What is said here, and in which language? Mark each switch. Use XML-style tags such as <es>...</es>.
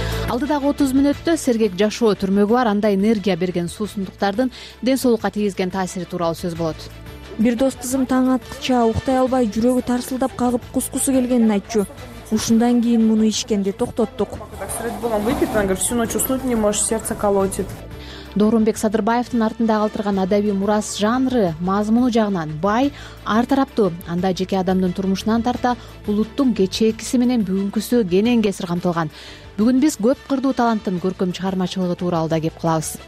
<ky>Алдыдагы 30 мүнөттө сергек жашоо түрмөгү бар, анда энергия берген суусундуктардын ден соолукка тийгизген таасири тууралуу сөз болот. Бир дос кызым таң атканча уктай албай жүрөгү тарсылдап кагып кускусу келгенин айтчу. Ушундан кийин муну ичкенди токтоттук.</ky> <ru>Всю ночь уснуть не можешь, сердце колотит.</ru> <ky>Доорунбек Садырбаевдин артында калтырган адабий мурас жанры мазмуну жагынан бай, ар тараптуу. Анда жеке адамдын турмушунан тарта улуттун кечээкиси менен бүгүнкүсү кенен кесир камтылган. Бүгүн биз көп кырдуу таланттын көркөм чыгармачылыгы тууралуу да кеп кылабыз.</ky>